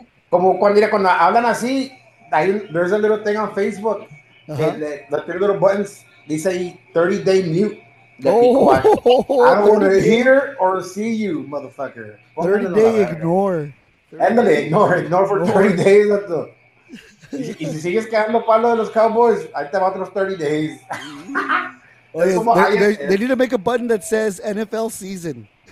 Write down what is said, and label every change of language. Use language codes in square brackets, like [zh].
[es] Como cuando hablan así, [en] there's a little thing on Facebook. The three little buttons, they say 30 day mute. Oh, I don't want to hear or see you, motherfucker. 30 day ignore. Ándale, ignore for 30 days. [es] Y si sigues quedando palo de los Cowboys, ahí te va otros 30 days. [en] they need to make a button that says NFL season.